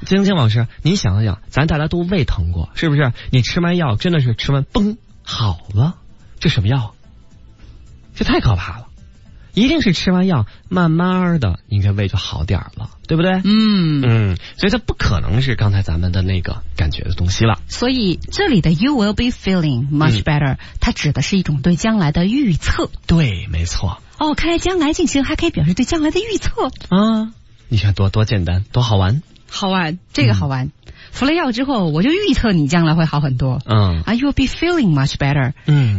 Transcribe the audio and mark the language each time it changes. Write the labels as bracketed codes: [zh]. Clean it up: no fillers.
[zh] 晶晶老师，你想想，咱大家都胃疼过，是不是？你吃完药真的是吃完嘣好了，这什么药？这太可怕了！一定是吃完药慢慢的，你这胃就好点了，对不对？嗯嗯，所以它不可能是刚才咱们的那个感觉的东西了。所以这里的 [en] you will be feeling much better，、 [zh] 嗯、它指的是一种对将来的预测。对，没错。哦，看来将来进行还可以表示对将来的预测啊！你看多简单，多好玩。好玩，这个好玩。服了药之后，我就预测你将来会好很多。嗯， [en] 啊 ，you will be feeling much better。 [zh] 嗯，